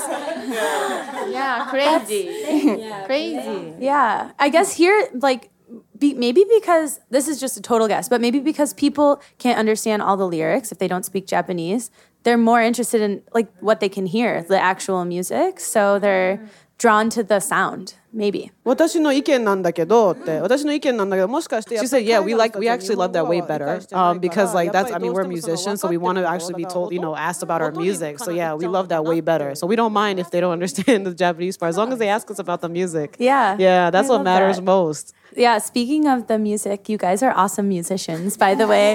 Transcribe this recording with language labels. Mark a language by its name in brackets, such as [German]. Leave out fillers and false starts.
[English] Yeah, crazy. Crazy. Yeah. I guess here, like, maybe because, this is just a total guess, but maybe because people can't understand all the lyrics if they don't speak Japanese, they're more interested in, like, what they can hear, the actual music. So they're drawn to the sound. Maybe. [Japanese] 私の意見なんだけどって、私の意見なんだけど、もしかして、 [English] she said, yeah, we actually love that way better. Because like that's, I mean, we're musicians, so we want to actually be told, you know, asked about our music. So yeah, we love that way better. So we don't mind if they don't understand the Japanese part, as long as they ask us about the music. Yeah. Yeah, that's what matters most. Yeah, speaking of the music, you guys are awesome musicians, by the way.